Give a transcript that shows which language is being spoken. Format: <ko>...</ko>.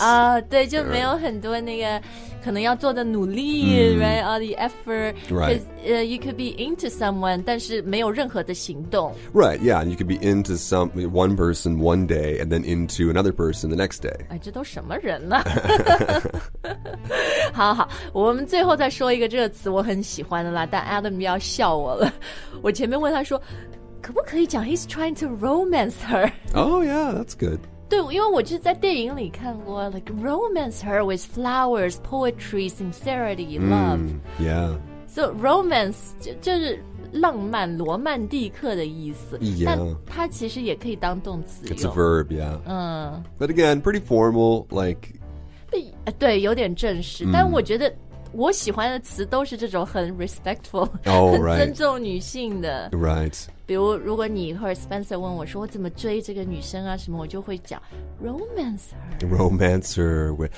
<zh>啊、对就没有很多那个可能要做的努力、</zh> <en>right? All the effort. Right. Because、you could be into someone,</en> <zh>但是没有任何的行动。</zh> <en>Right, yeah, and you could be into some, one person one day, and then into another person the next day.</en> <zh>哎，这都什么人呢、啊？好好，我们最后再说一个这个词我很喜欢的啦，但 Adam 要笑我了。我前面问他说，可不可以讲</zh> <en>he's trying to romance her? Oh yeah, that's good.</en> <zh>对，因为我就在电影里看过</zh> <en>like romance her with flowers, poetry, sincerity, love.、 Yeah.</en> <zh>So romance 就是浪漫罗曼蒂克的意思。</zh> <en>Yeah.</en> <zh>但它其实也可以当动词用。</zh> <en>It's a verb, yeah.、But again, pretty formal, like...</en> <zh>对有点正式、但我觉得我喜欢的词都是这种很 respectful、</zh> <en>right.</en> <zh>很尊重女性的</zh> <en>Right</en> <zh>比如如果你和 Spencer 问我说我怎么追这个女生啊什么我就会讲 Romancer</zh>